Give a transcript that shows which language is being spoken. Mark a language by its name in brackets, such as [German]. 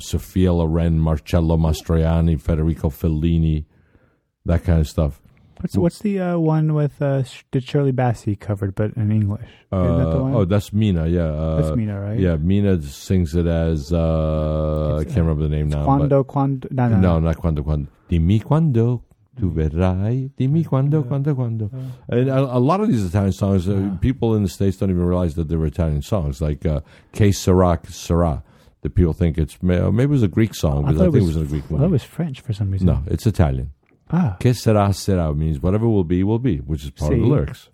[English] Sofia Loren, Marcello Mastroianni, Federico Fellini, that kind of stuff. What's the one with Shirley Bassey covered, but in English? Isn't that the one? Oh, that's Mina, yeah. That's Mina, right? Yeah, Mina sings it as, I can't remember the name now. [Italian] Quando, not quando. Dimmi quando tu verrai, dimmi quando, quando. [English] And a lot of these Italian songs, people in the States don't even realize that they're Italian songs, like Che sarà, sarà. That people think it's, maybe it was a Greek song, I thought it was French for some reason. No, it's Italian. Ah. Que sera, sera means whatever will be, which is part of the lyrics.